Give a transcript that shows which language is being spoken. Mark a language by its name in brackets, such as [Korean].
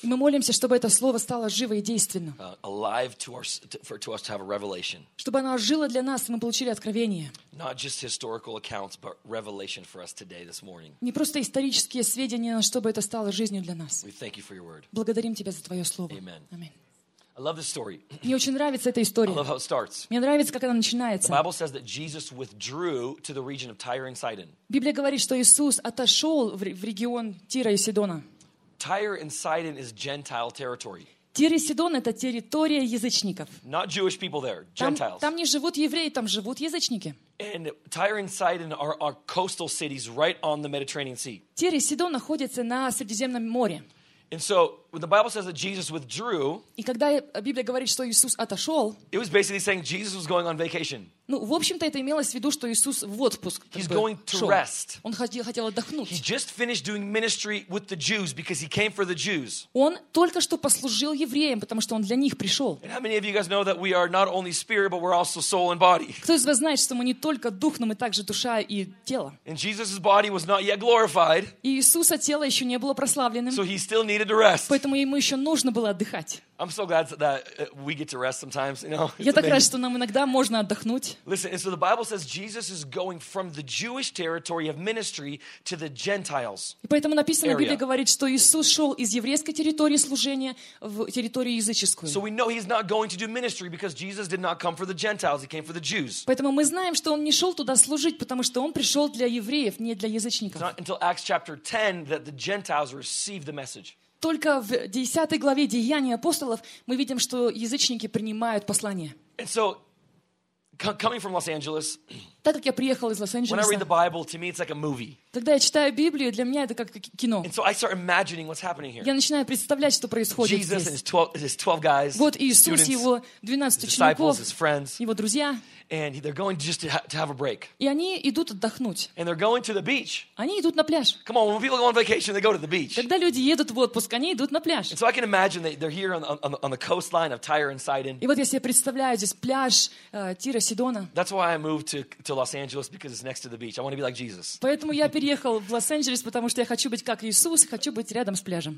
[Russian] И мы молимся, чтобы это слово стало живо и действенным. [English] Alive to our, to us to have a revelation. [Russian] Чтобы оно ожило для нас, и мы получили откровение. [English] Not just historical accounts, but revelation for us today, this morning. [Russian] Не просто исторические сведения, но чтобы это стало жизнью для нас. [English] We thank you for your word. [Russian] Благодарим тебя за твое слово. [English] Amen. Amen. I love this story. [Russian] Мне очень нравится эта история. [English] I love how it starts. [Russian] Мне нравится, как она начинается. [English] The Bible says that Jesus withdrew to the region of Tyre and Sidon. [Russian] Библия говорит, что Иисус отошел в регион Тира и Сидона. [English] Tyre and Sidon is Gentile territory. [Russian] Тир и Сидон — это территория язычников. [English] Not Jewish people there, Gentiles. [Russian] Там не живут евреи, там живут язычники. [English] And Tyre and Sidon are coastal cities right on the Mediterranean Sea. [Russian] Тир и Сидон находятся на Средиземном море. [English] And so when the Bible says that Jesus withdrew, [Russian] и когда Библия говорит, что Иисус отошел, [English] it was basically saying Jesus was going on vacation. [Russian] Ну, в общем-то, это имелось в виду, что Иисус в отпуск. [English] He's going to rest. [Russian] Он хотел отдохнуть. [English] He just finished doing ministry with the Jews because he came for the Jews. [Russian] Он только что послужил евреям, потому что он для них пришел. [English] And how many of you guys know that we are not only spirit, but we're also soul and body? [Russian] Кто из вас знает, что мы не только дух, но мы также душа и тело? [English] And Jesus' body was not yet glorified. [Russian] И Иисуса тело еще не было прославленным. [English] So he still needed to rest. [Russian] Поэтому ему еще нужно было отдыхать. [English] I'm so glad that we get to rest sometimes, you know. [Russian] Я так рад, что нам иногда можно отдохнуть. [English] Listen, and so the Bible says Jesus is going from the Jewish territory of ministry to the Gentiles. [Russian] И поэтому написано, Библия говорит, что Иисус шел из еврейской территории служения в территорию языческую. [English] So we know he's not going to do ministry because Jesus did not come for the Gentiles, he came for the Jews. [Russian] Поэтому мы знаем, что он не шел туда служить, потому что он пришел для евреев, не для язычников. [English] It's not until Acts chapter 10 that the Gentiles received the message. [Russian] Только в 10 главе Деяний апостолов мы видим, что язычники принимают послание. [English] And so, coming from Los Angeles, [Russian] так как я приехал из Лос-Анджелеса, [English] when I read the Bible, to me it's like a movie. [Russian] Когда я читаю Библию, для меня это как кино. [English] And so I start imagining what's happening here. [Russian] Я начинаю представлять, что происходит [English] Jesus [Russian] здесь. [English] And his 12 guys, [Russian] вот Иисус, [English] students, [Russian] его 12 учеников, [English] his friends, [Russian] его друзья. [English] And they're going just to have a break. [Russian] И они идут отдохнуть. [English] And they're going to the beach. [Russian] Они идут на пляж. [English] Come on, when people go on vacation, they go to the beach. [Russian] Когда люди едут в отпуск, они идут на пляж. [English] And so I can imagine that they're here on the coastline of Tyre and Sidon. [Russian] И вот я себе представляю здесь пляж Тира Сидона. [English] That's why I moved to Los Angeles because it's next to the beach. I want to be like Jesus. [Russian] Поэтому я переехал в Лос-Анджелес, потому что я хочу быть как Иисус, хочу быть рядом с пляжем.